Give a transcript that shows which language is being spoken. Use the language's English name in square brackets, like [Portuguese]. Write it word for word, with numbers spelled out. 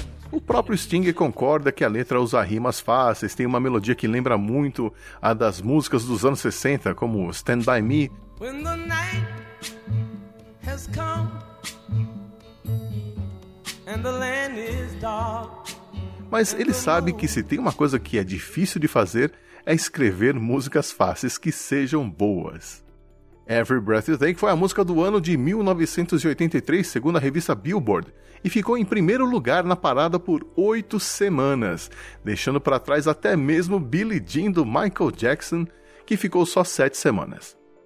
[Portuguese] O próprio Sting concorda que a letra usa rimas fáceis, tem uma melodia que lembra muito a das músicas dos anos sessenta, como Stand By Me. [English] When the night has come and the land is dark. [Portuguese] Mas ele sabe que se tem uma coisa que é difícil de fazer é escrever músicas fáceis que sejam boas. Every Breath You Take foi a música do ano de mil novecentos e oitenta e três, segundo a revista Billboard, e ficou em primeiro lugar na parada por oito semanas, deixando para trás até mesmo Billie Jean do Michael Jackson, que ficou só sete semanas.